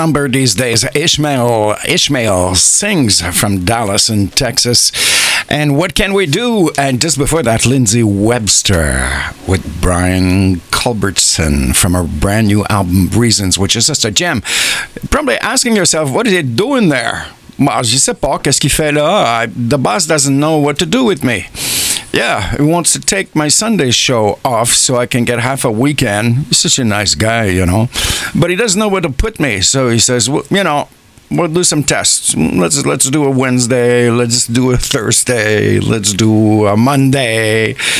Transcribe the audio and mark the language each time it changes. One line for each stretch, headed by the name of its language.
English: These days, Ishmael sings from Dallas in Texas. And what can we do? And just before that, Lindsay Webster with Brian Culbertson from her brand new album, Reasons, which is just a gem. Probably asking yourself, what is he doing there?
French: Well, je sais pas, qu'est-ce qu'il fait là?
English: The boss doesn't know what to do with me. Yeah, he wants to take my Sunday show off so I can get half a weekend. He's such a nice guy, you know. But he doesn't know where to put me. So he says, well, you know, we'll do some tests. Let's do a Wednesday. Let's do a Thursday. Let's do a Monday.